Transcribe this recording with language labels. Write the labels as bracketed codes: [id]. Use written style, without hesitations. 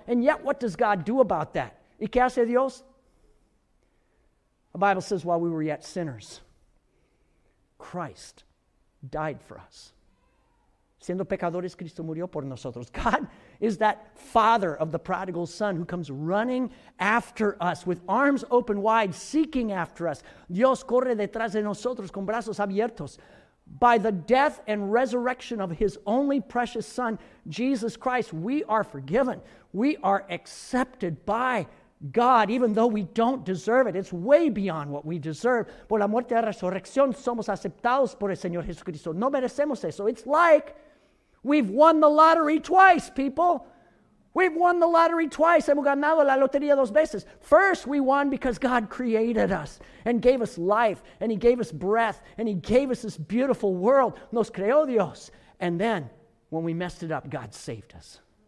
[en] And yet, what does God do about that? [es] ¿Y qué hace Dios? [en] The Bible says, while we were yet sinners, Christ died for us. [es] Siendo pecadores, Cristo murió por nosotros. [en] God is that father of the prodigal son who comes running after us with arms open wide, seeking after us. [es] Dios corre detrás de nosotros con brazos abiertos. [en] By the death and resurrection of His only precious Son, Jesus Christ, we are forgiven. We are accepted by God, even though we don't deserve it. It's way beyond what we deserve. [es] Por la muerte y la resurrección somos aceptados por el Señor Jesucristo. No merecemos eso. [en] It's like we've won the lottery twice, people. We've won the lottery twice. [es] Hemos ganado la lotería dos veces. [en] First, we won because God created us and gave us life and He gave us breath and He gave us this beautiful world. [es] Nos creó Dios. [en] And then, when we messed it up, God saved us.